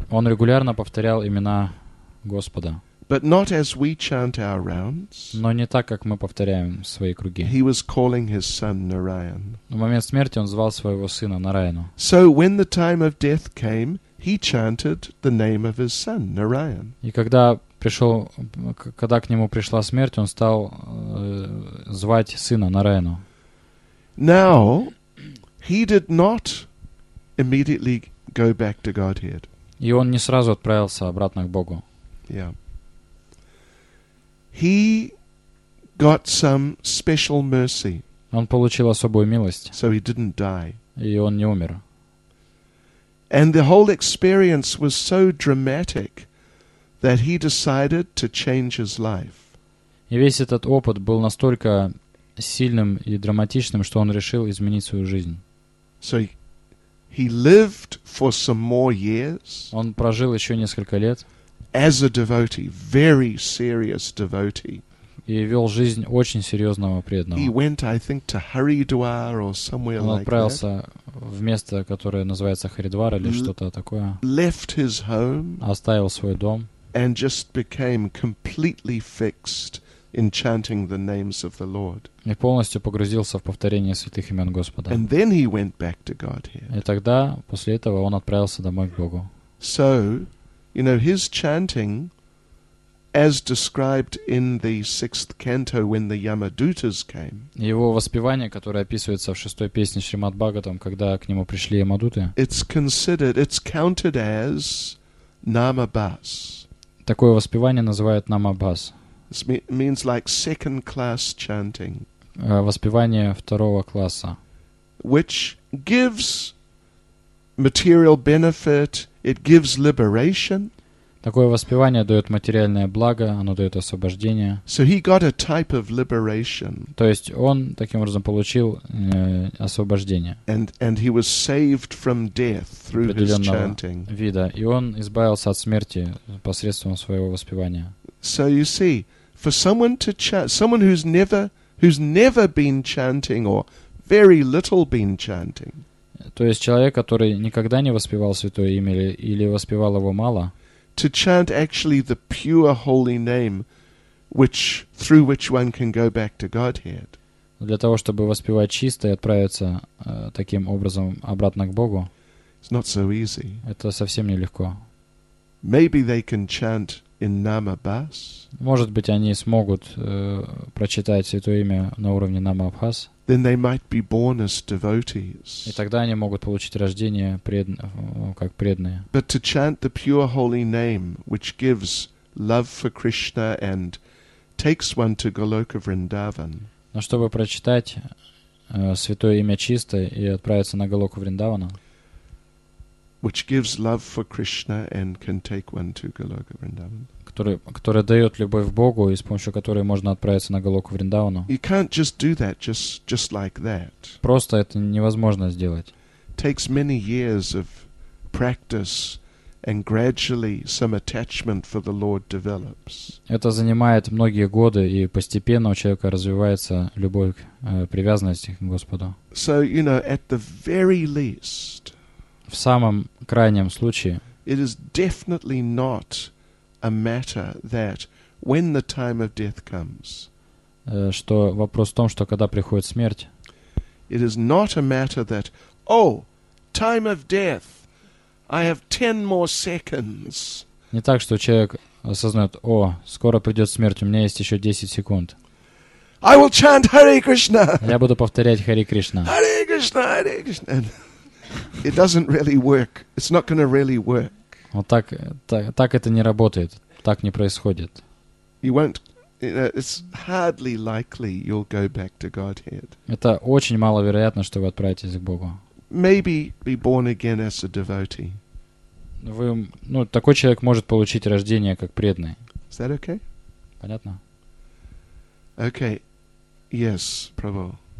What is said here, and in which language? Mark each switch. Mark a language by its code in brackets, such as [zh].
[ru] Он регулярно повторял имена Господа. [en] But not as we chant our rounds. [ru] Но не так, как мы повторяем свои круги. [en] He was calling his son Narayan. [ru] В момент смерти он звал своего сына Нараяну. [en] So when the time of death came, he chanted the name of his son Narayan. [ru] И когда пришел, когда к нему пришла смерть, он стал звать сына Нараяну. [en] Now, he did not immediately go back to Godhead. [ru] И он не сразу отправился обратно к Богу. [en] Yeah. He got some special mercy. [ru] Он получил особую милость. [en] So he didn't die. [ru] И он не умер. [en] And the whole experience was so dramatic that he decided to change his life. [ru] И весь этот опыт был настолько сильным и драматичным, что он решил изменить свою жизнь. [en] So he lived for some more years. [ru] Он прожил еще несколько лет. [en] As a devotee, very serious devotee. [ru] И вел жизнь очень серьезного преданного. [en] He went, I think, to Haridwar or somewhere like that. [ru] Он отправился в место, которое называется Харидвар или что-то такое. [en] Left his home. [ru] Оставил свой дом. [en] And just became completely fixed in chanting the names of the Lord. [ru] И полностью погрузился в повторение святых имен Господа. [en] And then he went back to Godhead. [ru] И тогда, после этого, он отправился домой к Богу. [en] So, you know, his chanting, as described in the sixth canto when the Yamadutas came. [ru] Его воспевание, которое описывается в шестой песне Шримад Бхагаватам, когда к нему пришли Ямадуты. [en] It's considered, it's counted as Namabhas. [ru] Такое воспевание называют намабас. [en] It means like second class chanting. [ru] Воспевание второго класса. [en] Which gives material benefit, it gives liberation. [ru] Такое воспевание дает материальное благо, оно дает освобождение. [en] So he got a type of liberation. [ru] То есть он таким образом получил освобождение. [en] And he was saved from death through his chanting. [ru] Определенного вида. И он избавился от смерти посредством своего воспевания. [en] So you see, for someone to chant, someone who's never been chanting or very little been chanting. [ru] То есть человек, который никогда не воспевал святое имя или воспевал его мало. [en] To chant actually the pure holy name, which through which one can go back to Godhead. [ru] Для того чтобы воспевать чисто и отправиться таким образом обратно к Богу. [en] It's not so easy. [ru] Это совсем нелегко. [en] Maybe they can chant in Namabhas. [ru] Может быть, они смогут прочитать святое имя на уровне Намабхас. [en] Then they might be born as devotees. [ru] И тогда они могут получить рождение как преданные. [en] But to chant the pure holy name, which gives love for Krishna and takes one to Goloka Vrindavan. [ru] Но чтобы прочитать святое имя чисто и отправиться на Голоку Вриндавана. [en] Which gives love for Krishna and can take one to Goloka Vrindavan. [ru] которая дает любовь Богу и с помощью которой можно отправиться на Голоку Вриндавану. [en] You can't just do that just like that. [ru] Просто это невозможно сделать. [en] It takes many years of practice. And gradually some attachment for the Lord develops. [ru] Это занимает многие годы, и постепенно у человека развивается любовь, привязанность к Господу. [en] So, you know, at the very least, [ru] в самом крайнем случае, [en] it is definitely not a matter that when the time of death comes, [ru] что вопрос в том, что когда приходит смерть, [en] it is not a matter that, time of death, I have 10 more seconds. [ru] Не так, что человек осознает: о, скоро придет смерть, у меня есть еще 10 секунд. [en] I will chant Hare Krishna. [ru] Я буду повторять Hare Krishna. [en] Hare Krishna, Hare Krishna. It doesn't really work. It's not going to really work. [ru] Вот так это не работает. Так не происходит. [en] You won't. It's hardly likely you'll go back to Godhead. [ru] Это очень маловероятно, что вы отправитесь к Богу. [en] Maybe be born again as a devotee. [ru] Вы, ну, такой человек может получить рождение как преданный. [en] Is that okay? [ru] Понятно. [en] Okay. Yes, Prabhu.